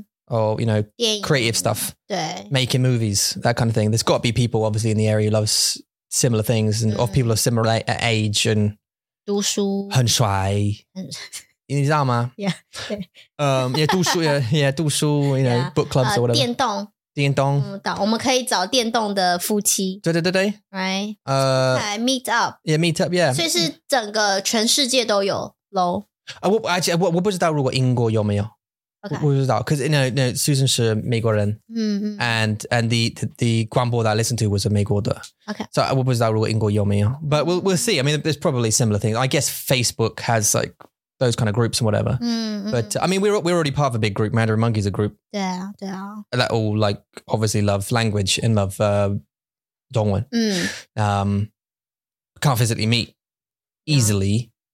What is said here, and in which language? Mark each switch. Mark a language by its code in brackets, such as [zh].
[en] Or, you know, creative stuff. Making movies, that kind of thing. There's got to be people obviously in the area who loves similar things. And of people of similar age and... [zh] 读书。很帅。你知道吗 [en] Yeah, 读书 yeah, 读书 you know, yeah, book clubs or whatever. [zh] 电动。电动。我们可以找电动的夫妻。对对对对。 [en] Right. Meet up. Yeah, meet up, yeah. [zh] 所以是整个全世界都有咯。我不知道如果英国有没有。 [en] Okay. [zh] 我不知道。 [en] Because, you know, Susan [zh] 是美国人。 [en] And the 广播 that I listened to was [zh] 美国的。 [en] Okay. [zh] So 我不知道如果英国有没有。 [en] But we'll see. I mean, there's probably similar things. I guess Facebook has like,those kind of groups and whatever. But I mean, we're already part of a big group. Mandarin Monkey's a group. Yeah, yeah. That all like, obviously love language and love Dongwen. Can't physically meet easily.